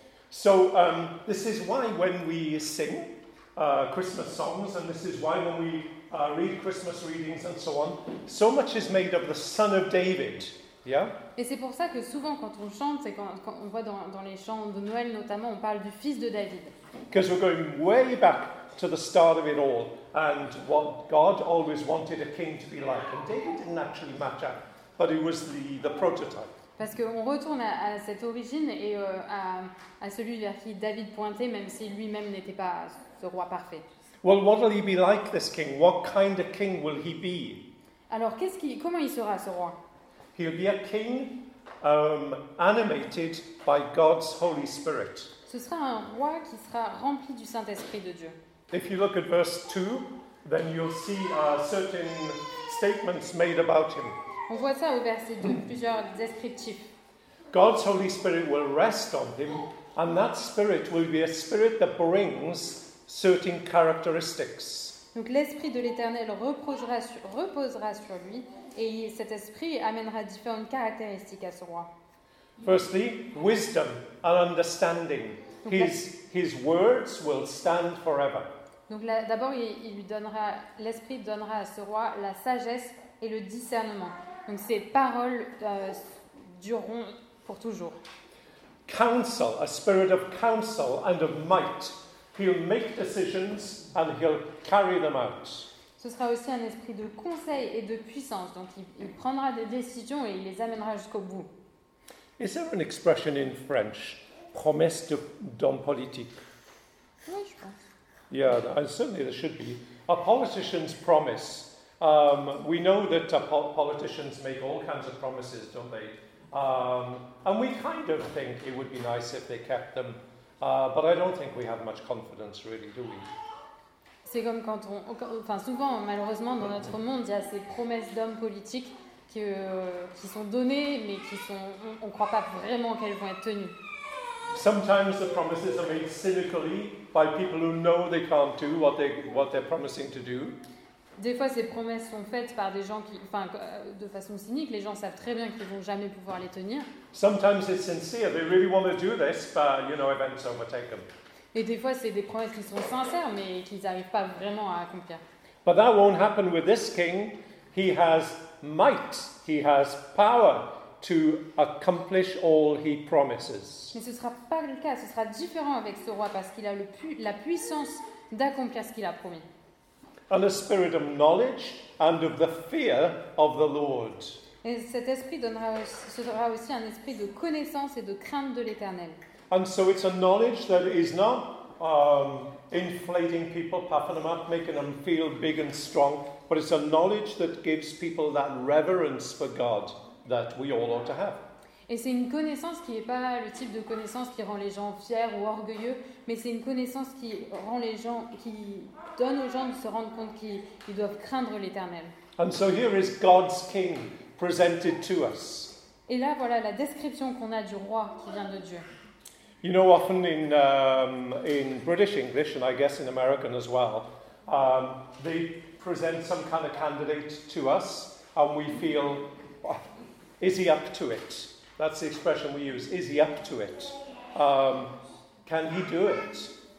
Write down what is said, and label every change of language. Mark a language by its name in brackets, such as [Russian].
[English] So this is why when we sing Christmas songs, and this is why when we read Christmas readings and so on, so much is made of the Son of David. Yeah. [French] Et c'est pour ça que souvent quand on chante, c'est quand on voit dans les chants de Noël notamment, on parle du Fils de David. [English] Because we're going way back to the start of it all, and what God always wanted a king to be like, and David didn't actually match up, but it was the prototype. [French] Parce qu'on retourne à cette origine et à celui vers qui David pointait, même si lui-même n'était pas ce roi parfait. [English] Well, what will he be like, this king? What kind of king will he be? [French] Alors, comment il sera, ce roi? [English] He'll be a king animated by God's Holy Spirit. [French] Ce sera un roi qui sera rempli du Saint-Esprit de Dieu. [English] If you look at verse 2, then you'll see certain statements made about him. [French] On voit ça au verset 2, plusieurs descriptifs. [English] God's Holy Spirit will rest on him, and that spirit will be a spirit that brings certain characteristics. [French] Donc l'Esprit de l'Éternel reposera sur lui, et cet esprit amènera différentes caractéristiques à ce roi. [English] Firstly, wisdom and understanding. His words will stand forever. [French] Donc là, d'abord, il lui donnera, l'Esprit donnera à ce roi la sagesse et le discernement. Donc ses paroles dureront pour toujours. [English] Counsel, a spirit of counsel and of might. He'll make decisions and he'll carry them out. [French] Ce sera aussi un esprit de conseil et de puissance. Donc il prendra des décisions et il les amènera jusqu'au bout. [English] Is there an expression in French, [French] promesse d'homme politique? Oui, je pense. [English] Yeah, and certainly there should be. A politician's promise. We know that politicians make all kinds of promises, don't they? And we kind of think it would be nice if they kept them. But I don't think we have much confidence, really, do we? [French] C'est comme quand on... Enfin, souvent, malheureusement, dans notre monde, il y a ces promesses d'hommes politiques qui sont données, mais qui sont... On ne croit pas vraiment qu'elles vont être tenues. [English] Sometimes the promises are made cynically by people who know they can't do what they're promising to do. [French] Des fois, ces promesses sont faites par des gens qui, enfin, de façon cynique, les gens savent très bien qu'ils vont jamais pouvoir les tenir. [English] Sometimes it's sincere. They really want to do this, but you know, events overtake them. [French] Et des fois, c'est des promesses qui sont sincères, mais qu'ils n'arrivent pas vraiment à accomplir. [English] But that won't happen with this king. He has might. He has power to accomplish all he promises. [French] Mais ce sera pas le cas. Ce sera différent avec ce roi parce qu'il a la puissance d'accomplir ce qu'il a promis. [English] And a spirit of knowledge and of the fear of the Lord. [French] Et cet esprit sera aussi un esprit de connaissance et de crainte de l'Éternel. [English] And so it's a knowledge that is not inflating people, puffing them up, making them feel big and strong, but it's a knowledge that gives people that reverence for God that we all ought to have. [French] Et c'est une connaissance qui n'est pas le type de connaissance qui rend les gens fiers ou orgueilleux, mais c'est une connaissance qui rend les gens, qui donne aux gens de se rendre compte qu'ils doivent craindre l'Éternel. [English] And so here is God's King presented to us. [French] Et là, voilà la description qu'on a du roi qui vient de Dieu. [English] You know, often in British English, and I guess in American as well, they present some kind of candidate to us, and we feel, is he up to it? That's the expression we use. Is he up to it? Can he do it?